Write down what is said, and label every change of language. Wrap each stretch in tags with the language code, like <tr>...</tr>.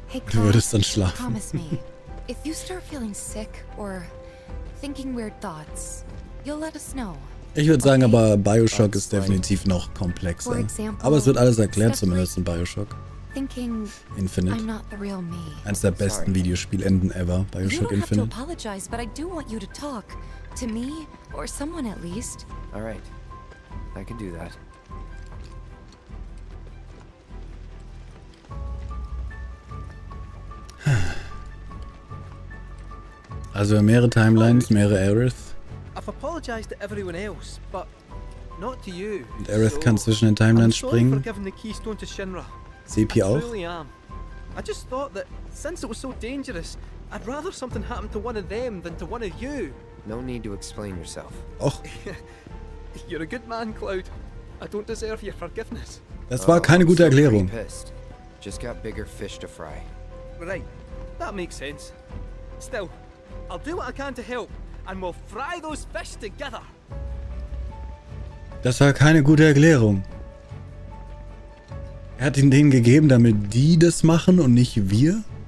<de>Du würdest dann schlafen.</de> <en>Promise me, if you start feeling sick or thinking weird thoughts, you'll let us know.</en> <de>Ich würde sagen, aber BioShock ist definitiv noch komplexer. Aber es wird alles erklärt, zumindest in BioShock Infinite. Eines der besten Videospielenden</de> <en>ever,</en> <de>BioShock Infinite.</de> <en>Apologize, but I do want you to talk to me or someone at least. All right, I can do that.</en> <de>Also mehrere Timelines, mehrere Aerith.</de> <en>I've apologized to everyone else, but not to you.</en> <de>Und Aerith kann zwischen den Timelines springen.</de> <en>I'm sorry for giving the keystone to Shinra.</en> <de>CP auch.</de> <en>I truly am. I just thought that since it was so dangerous, I'd rather something happen to one of them than to one of you. No need to explain yourself. Oh. You're a good man, Cloud. I don't deserve your forgiveness.</en> <de>Das war keine gute Erklärung.</de> <en>Just got bigger fish to fry. Right, that makes sense. Still, I'll do what I can to help, and we'll fry those fish together.</en> <de>Das war keine gute Erklärung. Er hat ihn denen gegeben, damit die das machen und nicht wir?</de>